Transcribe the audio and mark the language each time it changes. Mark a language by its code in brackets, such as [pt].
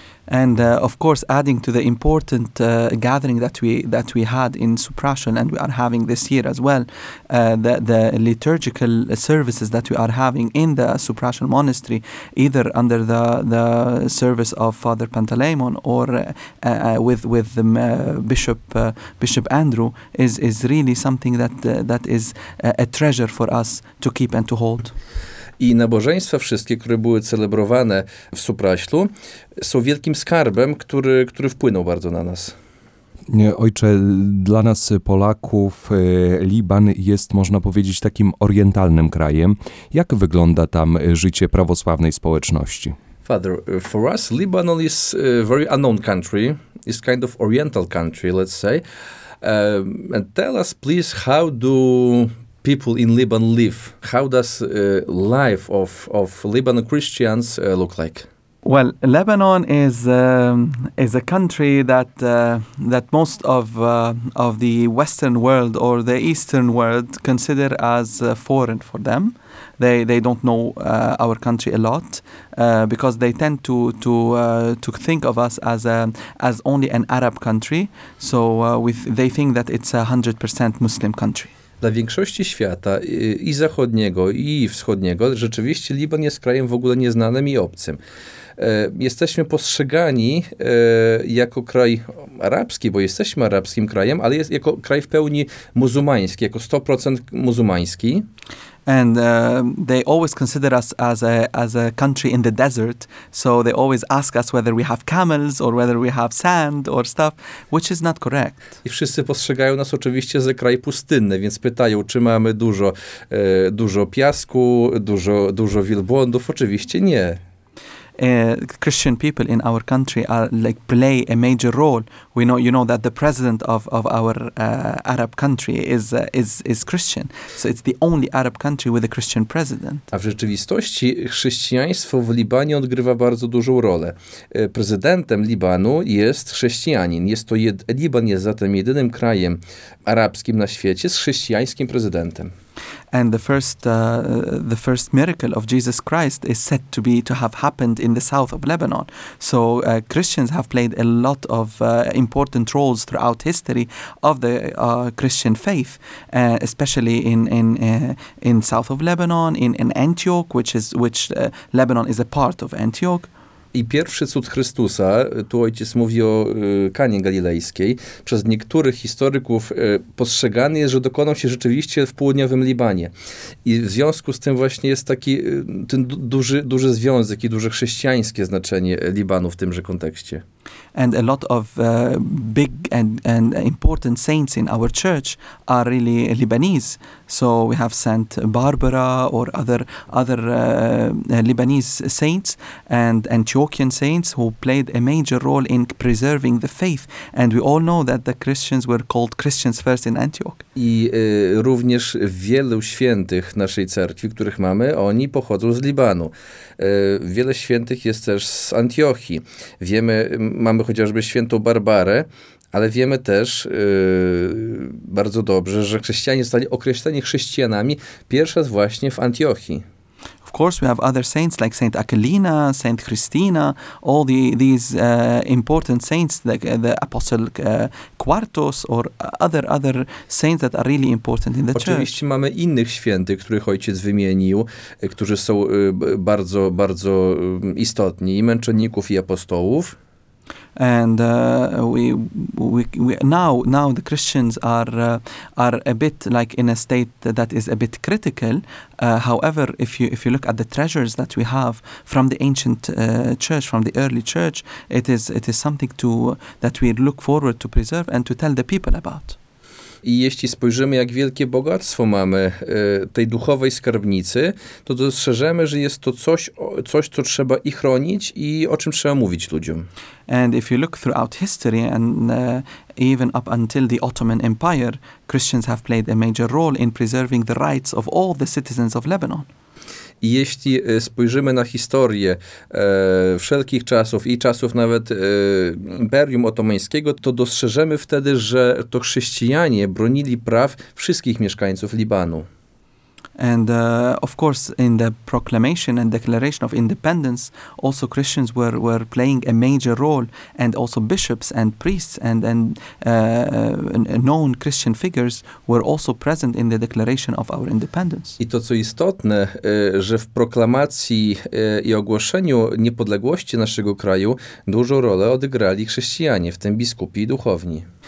[en] And of course, adding to the important gathering that we had in Supraszyn, and we are having this year as well, the liturgical services that we are having in the Supraszyn monastery, either under the service of Father Pantaleimon or with the Bishop Andrew, is really something that is a treasure for us to keep and to hold. [pl] I nabożeństwa wszystkie, które były celebrowane w Supraślu, są wielkim skarbem, który wpłynął bardzo na nas. Ojcze, dla nas Polaków Liban jest, można powiedzieć, takim orientalnym krajem. Jak wygląda tam życie prawosławnej społeczności? [en] Father, for us Lebanon is a very unknown country. It's kind of oriental country, let's say. And tell us, please, how do people in Lebanon live? How does life of Lebanon Christians look like? Well, Lebanon is a country that that most of the Western world or the Eastern world consider as foreign for them. They don't know our country a lot because they tend to think of us as a, as only an Arab country. So with they think that it's a 100% Muslim country. [pl] Dla większości świata i zachodniego i wschodniego rzeczywiście Liban jest krajem w ogóle nieznanym i obcym. Jesteśmy postrzegani jako kraj arabski, bo jesteśmy arabskim krajem, ale jest jako kraj w pełni muzułmański, jako 100% muzułmański. [en] And they always consider us as a country in the desert, so they always ask us whether we have camels or whether we have sand or stuff, which is not correct. [pl] I wszyscy postrzegają nas oczywiście za kraj pustynny, więc pytają, czy mamy dużo dużo piasku, dużo dużo wielbłądów. Oczywiście nie. [en] Christian people in our country are like play a major role. We know, you know, that the president of our Arab country is Christian. So it's the only Arab country with a Christian president. [pl] A w rzeczywistości chrześcijaństwo w Libanie odgrywa bardzo dużą rolę. Prezydentem Libanu jest chrześcijanin. Jest to Liban jest zatem jedynym krajem arabskim na świecie z chrześcijańskim prezydentem. [en] And the first miracle of Jesus Christ is said to be to have happened in the south of Lebanon. So Christians have played a lot of important roles throughout history of the Christian faith, especially in south of Lebanon, in Antioch, which Lebanon is a part of Antioch. [pl] I pierwszy cud Chrystusa, tu ojciec mówi o Kanie Galilejskiej, przez niektórych historyków postrzegany jest, że dokonał się rzeczywiście w południowym Libanie. I w związku z tym właśnie jest taki ten duży związek i duże chrześcijańskie znaczenie Libanu w tymże kontekście. [en] And a lot of big and important saints in our church are really Lebanese. So we have Saint Barbara or other Lebanese saints and Antiochian saints who played a major role in preserving the faith. And we all know that the Christians were called Christians first in Antioch. [pl] I również wielu świętych naszej cerkwi, których mamy, oni pochodzą z Libanu. Wiele świętych jest też z Antiochii. Wiemy, mamy chociażby świętą Barbarę, ale wiemy też bardzo dobrze, że chrześcijanie zostali określeni chrześcijanami pierwszy raz właśnie w Antiochii. [en] Of course, we have other saints like Saint Aquilina, Saint Christina, all the these important saints like the Apostle Quartus or other saints that are really important in the [pl] Oczywiście [en] church. [pl] Oczywiście mamy innych świętych, których ojciec wymienił, którzy są bardzo, bardzo istotni, i męczenników, i apostołów. [en] And we now the Christians are a bit like in a state that is a bit critical. However, if you look at the treasures that we have from the ancient church, from the early church, it is something to that we look forward to preserve and to tell the people about. [pl] I jeśli spojrzymy, jak wielkie bogactwo mamy tej duchowej skarbnicy, to dostrzeżemy, że jest to coś, co trzeba i chronić, i o czym trzeba mówić ludziom. [en] And if you look throughout history and even up until the Ottoman Empire, Christians have played a major role in preserving the rights of all the citizens of Lebanon. [pl] I jeśli spojrzymy na historię wszelkich czasów i czasów nawet Imperium Otomańskiego, to dostrzeżemy wtedy, że to chrześcijanie bronili praw wszystkich mieszkańców Libanu. [en] And of course in the proclamation and declaration of independence also Christians were playing a major role and also bishops and priests and known Christian figures were also present in the declaration of our independence. [pl] I to co istotne, że w proklamacji i ogłoszeniu niepodległości naszego kraju dużą rolę odegrali chrześcijanie, w tym biskupi i duchowni.